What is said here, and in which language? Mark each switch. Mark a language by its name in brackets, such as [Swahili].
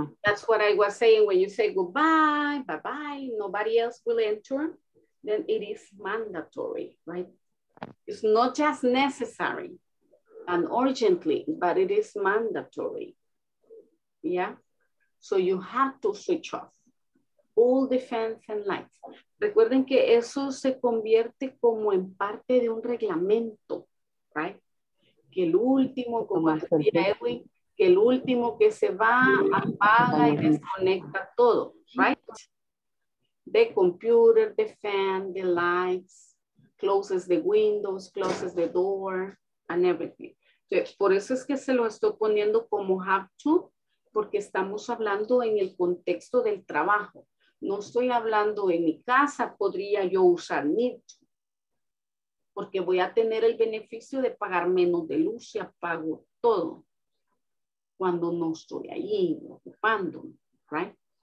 [English] That's what I was saying when you say goodbye, bye bye, nobody else will enter, then it is mandatory, right? It's not just necessary and urgently, but it is mandatory. Yeah? So you have to switch off all the fans and lights. [Spanish] Recuerden que eso se convierte como en parte de un reglamento. Right? Que el último, como decía Edwin, que el último que se va, apaga y desconecta todo, right? [English] The computer, the fan, the lights, closes the windows, closes the door, and everything. [Spanish] Entonces, por eso es que se lo estoy poniendo como have to, porque estamos hablando en el contexto del trabajo. No estoy hablando en mi casa, podría yo usar need to. Porque voy a tener el beneficio de pagar menos de luz y apago todo cuando no estoy ahí ocupándome, right?